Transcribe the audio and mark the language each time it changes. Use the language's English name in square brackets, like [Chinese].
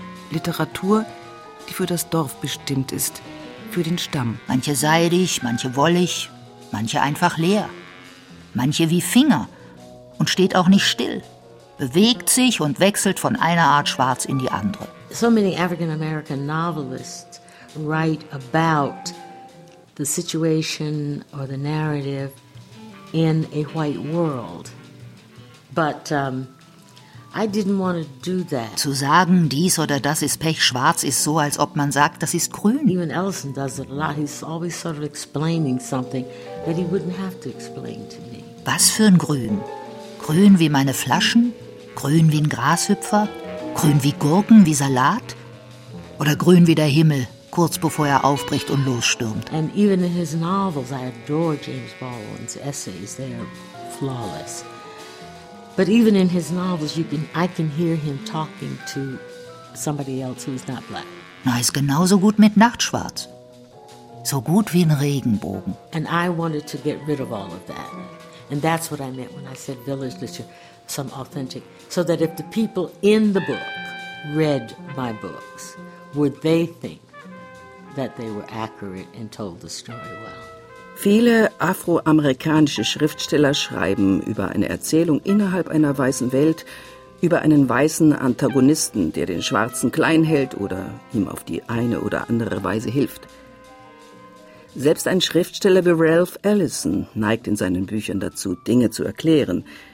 [German] Literatur, die für das Dorf bestimmt ist, für den Stamm. Manche seidig, manche wollig, manche einfach leer. Manche wie Finger und steht auch nicht still. Bewegt sich und wechselt von einer Art schwarz in die andere. [English] So many African-American novelists write about the situation or the narrative in a white world. But I didn't want to do that. [German] Zu sagen, dies oder das ist pechschwarz, ist so, als ob man sagt, das ist grün. [English] Even Ellison does it a lot. He's always sort of explaining something that he wouldn't have to explain to me. [German] Was für ein Grün? Grün wie meine Flaschen? Grün wie ein Grashüpfer? Grün wie Gurken, wie Salat? Oder grün wie der Himmel, kurz bevor er aufbricht und losstürmt. [English] And even in his novels, I adore James Baldwin's essays. They are flawless. But even in his novels, I can hear him talking to somebody else who's not black. [German] Na, ist genauso gut mit Nachtschwarz. So gut wie ein Regenbogen. [English] And I wanted to get rid of all of that. And that's what I meant when I said village literature, some authentic. So that if the people in the book read my books, would they think that they were accurate and told the story well. [German] Viele afroamerikanische Schriftsteller schreiben über eine Erzählung innerhalb einer weißen Welt, über einen weißen Antagonisten, der den Schwarzen klein hält oder ihm auf die eine oder andere Weise hilft. Selbst ein Schriftsteller wie Ralph Ellison neigt in seinen Büchern dazu, Dinge zu erklären,